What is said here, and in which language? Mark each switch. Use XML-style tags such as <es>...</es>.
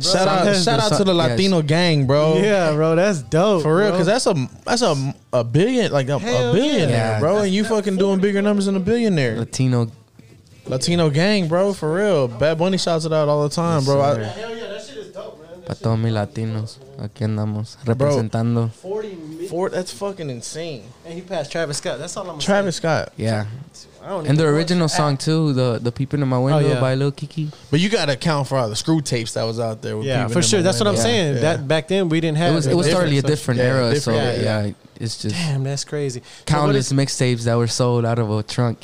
<en>shout out to the Latino gang, bro. Yeah, bro, that's dope. For real, because that's a billion, like a billionaire, bro. And you fucking doing bigger numbers than a billionaire. Latino gang, bro, for real. Bad Bunny shouts it out all the time, bro. Hell yeah, that shit is dope, man.</en> <es>Para todos mis latinos, aquí andamos representando.</es> <en>That's fucking insane. And he passed Travis Scott. That's all I'm saying. Travis Scott. Yeah. And the original song too, the Peeping in My Window by Lil Kiki. But you gotta account for all the Screw Tapes that was out there. With for sure. That's what I'm saying. Yeah. That back then we didn't have. It was totally a different era. It's just damn, that's crazy. Countless mixtapes that were sold out of a trunk.</en>